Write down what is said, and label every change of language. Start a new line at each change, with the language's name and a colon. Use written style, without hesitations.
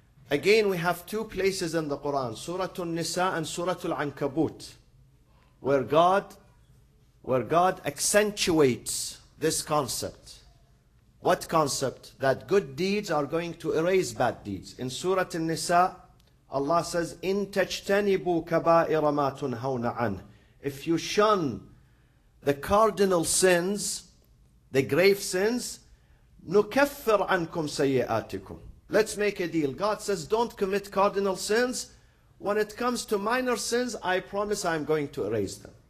English: Again, we have two places in the Quran, Surah An-Nisa and Surah Al-Ankabut, where God accentuates this concept. What concept? That good deeds are going to erase bad deeds. In Surah An-Nisa, Allah says,
Arabic: إِن تَجْتَنِبُوا كَبَائِرَ مَا تُنْهَوْنَ عَنْهِ.
English: If you shun the cardinal sins, the grave sins,
Arabic: نُكَفِّرْ عَنْكُمْ سَيِّئَاتِكُمْ.
English: Let's make a deal. God says, don't commit cardinal sins. When it comes to minor sins, I promise I'm going to erase them.